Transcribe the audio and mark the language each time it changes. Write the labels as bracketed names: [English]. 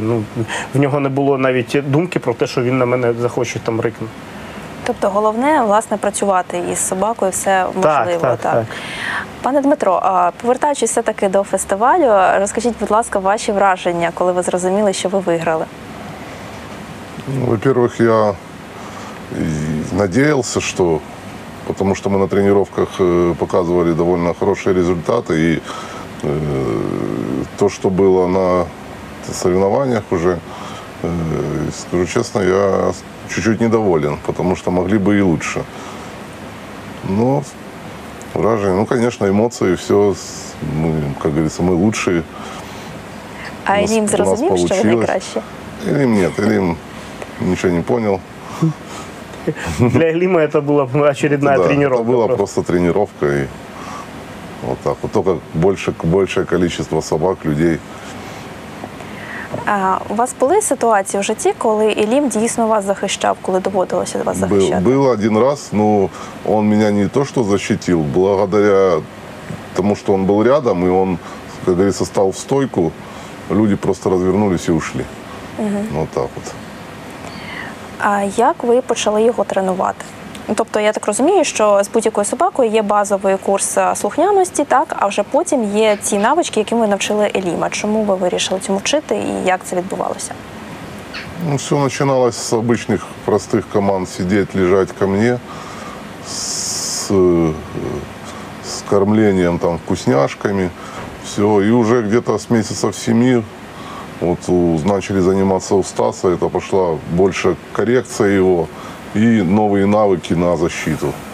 [Ukrainian] Ну, в нього не було навіть думки про те, що він на мене захоче там рикнути. Тобто головне, власне, працювати із собакою, все можливо. Так, так, так. Пане Дмитро, повертаючись все-таки до фестивалю, розкажіть, будь ласка, ваші враження, коли ви зрозуміли, що ви виграли. [Russian] Во-первых, я надеялся, что, потому что мы на тренировках показывали довольно хорошие результаты, и то, что было на соревнованиях уже, Скажу честно, я чуть-чуть недоволен, потому что могли бы и лучше. Но выражение, ну, конечно, эмоции, все, мы, как говорится, мы лучшие. [Ukrainian] А Элим зрозумів, що ви найкраще? [Russian] Элим, нет, Элим ничего не понял. Для Элима это была очередная тренировка. Это была просто тренировка. И вот так вот. Только большее количество собак, людей. [Ukrainian] А у вас були ситуації в житті, коли Элим дійсно вас захищав, коли доводилося вас захищати? [Russian] Был один раз, но он меня не то что защитил, благодаря тому, что он был рядом, и он, как говорится, стал в стойку, люди просто развернулись и ушли. Угу. Вот так вот. [Ukrainian] А як ви почали його тренувати? Тобто, я так розумію, що з будь-якою собакою є базовий курс слухняності, так, а вже потім є ті навички, які ви навчили Еліма. Чому ви вирішили цьому вчити і як це відбувалося? Ну, все починалось з звичайних простих команд сидіти, лежати ко мені, з кормленням там вкусняшками. [Russian] Все, і вже где-то з місяців 7 вот начали заниматься у Стаса, это пошла больше коррекция его и новые навыки на защиту.